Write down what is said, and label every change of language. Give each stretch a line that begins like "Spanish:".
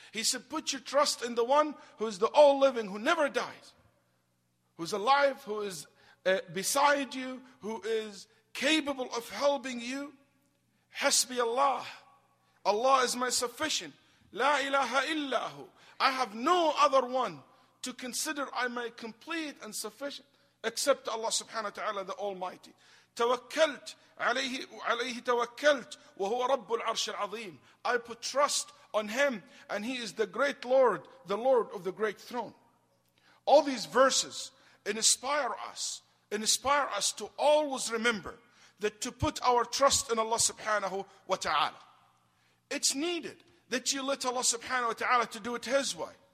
English: He said, put your trust in the one who is the all-living, who never dies, who is alive, who is beside you, who is capable of helping you.
Arabic: حَسْبِي اللَّهِ.
English: Allah is my sufficient.
Arabic: لَا إِلَهَ إِلَّا هُ.
English: I have no other one to consider I may complete and sufficient except Allah subhanahu wa ta'ala, the Almighty.
Arabic: توكلت عليه, عليه توكلت وهو رب العرش العظيم.
English: I put trust on him and he is the great Lord, the Lord of the great throne. All these verses inspire us to always remember that to put our trust in Allah subhanahu wa ta'ala. It's needed that you let Allah subhanahu wa ta'ala to do it His way.